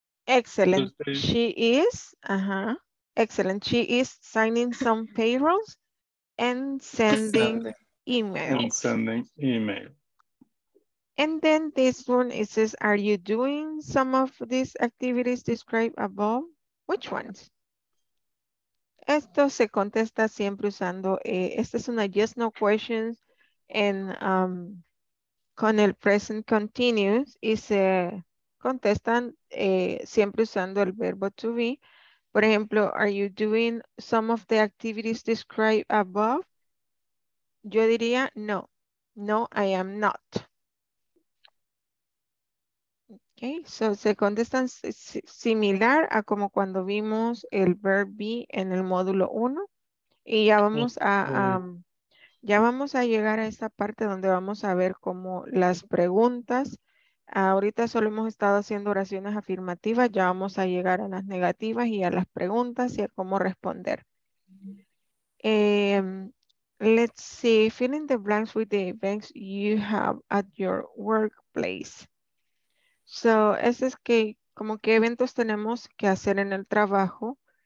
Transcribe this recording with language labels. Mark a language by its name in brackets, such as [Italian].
[English] Excellent. She is, excellent. She is signing some payrolls and sending emails. And sending email. And then this one, it says, are you doing some of these activities described above? Which ones? [Spanish] Esto se contesta siempre usando, esta es una yes, no question. And con el present continuous y se contestan siempre usando el verbo to be. Por ejemplo, [English] are you doing some of the activities described above? [Spanish] Yo diría no. [English] No, I am not. [Spanish] Okay, so se contestan similar a como cuando vimos el verb be en el módulo 1. Y ya vamos a... ya vamos a llegar a esta parte donde vamos a ver cómo las preguntas. Ahorita solo hemos estado haciendo oraciones afirmativas. Ya vamos a llegar a las negativas y a las preguntas y a cómo responder. [English] Let's see. Fill in the blanks with the events you have at your workplace. [Spanish] So, eso es que, como qué eventos tenemos que hacer en el trabajo.